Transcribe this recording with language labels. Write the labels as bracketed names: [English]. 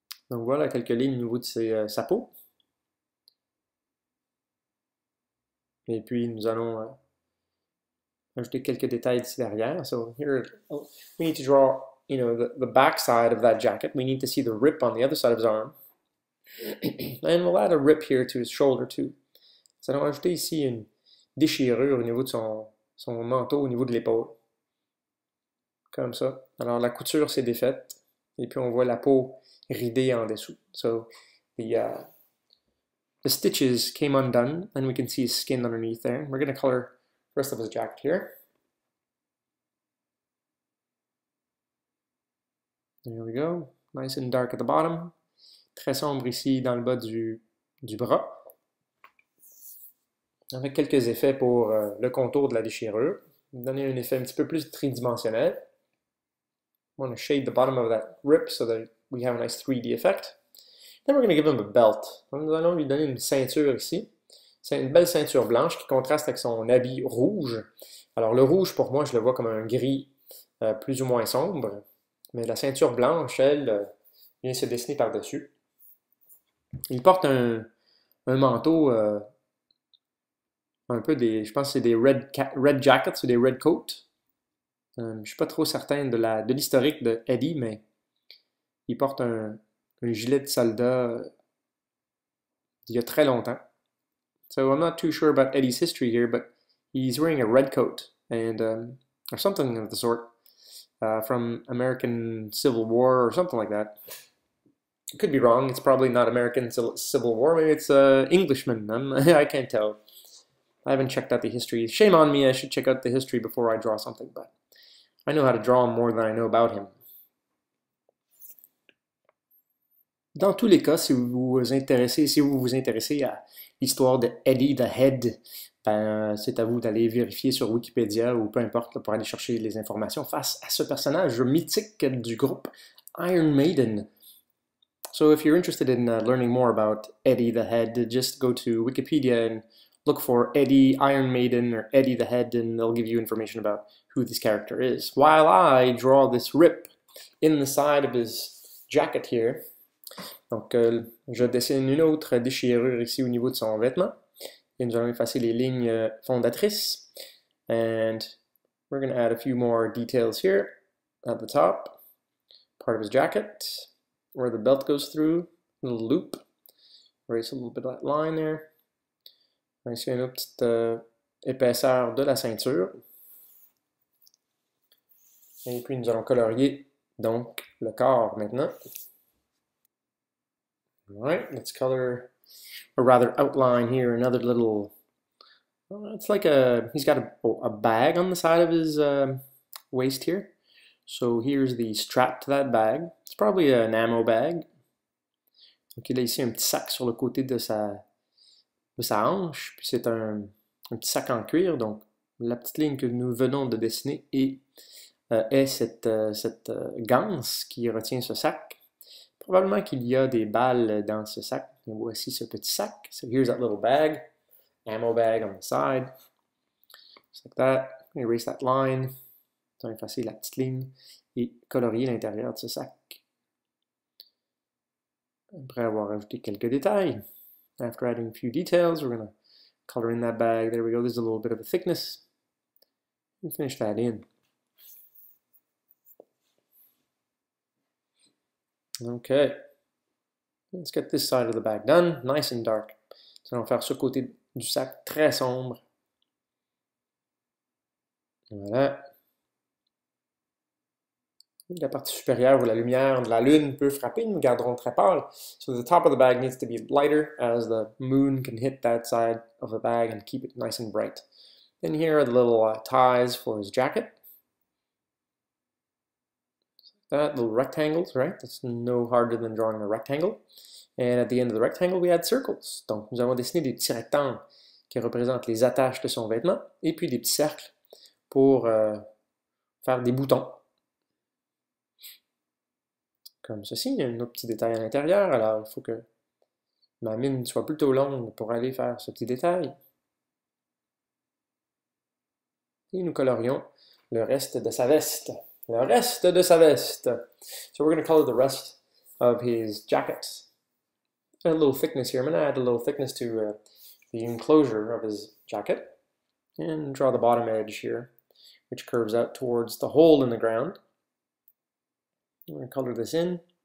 [French] Donc voilà quelques lignes au niveau de sa peau. Et puis nous allons ajouter quelques détails ici derrière. [English] So here, we need to draw, you know, the back side of that jacket. We need to see the rip on the other side of his arm. And we'll add a rip here to his shoulder too. [French] Nous allons ajouter ici une déchirure au niveau de son manteau au niveau de l'épaule. Comme ça. Alors la couture s'est défaite. Et puis on voit la peau ridée en dessous. [English] So the stitches came undone and we can see his skin underneath there. We're going to color the rest of his jacket here. There we go. Nice and dark at the bottom. [French] Très sombre ici dans le bas du bras. Avec quelques effets pour le contour de la déchirure. Donner un effet un petit peu plus tridimensionnel. [English] I want to shade the bottom of that rip so that we have a nice 3D effect. Then we're going to give him a belt. [French] Nous allons lui donner une ceinture ici. C'est une belle ceinture blanche qui contraste avec son habit rouge. Alors le rouge, pour moi, je le vois comme un gris plus ou moins sombre. Mais la ceinture blanche, elle, vient se dessiner par-dessus. Il porte un manteau... un peu des, je pense que c'est des [English] red jackets [French] ou des [English] red coats. [French] Je ne suis pas trop certain de l'historique de Eddie, mais il porte un gilet de soldat d'il y a très longtemps. [English] So I'm not too sure about Eddie's history here, but he's wearing a red coat and or something of the sort from American Civil War or something like that. It could be wrong. It's probably not American Civil War. Maybe it's Englishman. I can't tell. I haven't checked out the history. Shame on me, I should check out the history before I draw something, but I know how to draw him more than I know about him. [French] Dans tous les cas, si vous vous intéressez à l'histoire de Eddie the Head, ben, c'est à vous d'aller vérifier sur Wikipédia ou peu importe pour aller chercher les informations face à ce personnage mythique du groupe Iron Maiden. [English] So if you're interested in learning more about Eddie the Head, just go to Wikipedia and look for Eddie Iron Maiden or Eddie the Head and they'll give you information about who this character is. While I draw this rip in the side of his jacket here, [French] Donc, je dessine une autre déchirure ici au niveau de son vêtement. Et nous allons effacer les lignes fondatrices. [English] And we're going to add a few more details here at the top. Part of his jacket, where the belt goes through, a little loop. Erase a little bit of that line there. [French] Ici, une autre petite épaisseur de la ceinture. Et puis, nous allons colorier donc le corps maintenant. [English] Alright, let's color, or rather outline here another little, it's like a, he's got a bag on the side of his waist here. So here's the strap to that bag. It's probably an ammo bag. [French] Donc il a ici un petit sac sur le côté de sa hanche. Puis c'est un petit sac en cuir. Donc la petite ligne que nous venons de dessiner est cette ganse qui retient ce sac. Probablement qu'il y a des balles dans ce sac. Et voici ce petit sac. [English] So here's that little bag. Ammo bag on the side. Just like that. Erase that line. [French] Donc, effacer la petite ligne et colorier l'intérieur de ce sac. Après avoir ajouté quelques détails. [English] After adding a few details, we're going to color in that bag. There we go. There's a little bit of a thickness. And finish that in. Okay. Let's get this side of the bag done. Nice and dark. [French] Nous allons faire ce côté du sac très sombre. Voilà. La partie supérieure où la lumière de la lune peut frapper, nous garderons très pâle. [English] So the top of the bag needs to be lighter as the moon can hit that side of the bag and keep it nice and bright. And here are the little ties for his jacket. That little rectangles, right? That's no harder than drawing a rectangle. And at the end of the rectangle, we add circles. [French] Donc, nous avons dessiné des petits rectangles qui représentent les attaches de son vêtement et puis des petits cercles pour faire des boutons. Comme ceci, il y a un autre petit détail à l'intérieur, alors il faut que ma mine soit plutôt longue pour aller faire ce petit détail. Et nous colorions le reste de sa veste. Le reste de sa veste! [English] So we're going to color the rest of his jacket. A little thickness here. I'm going to add a little thickness to the enclosure of his jacket. And draw the bottom edge here, which curves out towards the hole in the ground. We're going to color this in.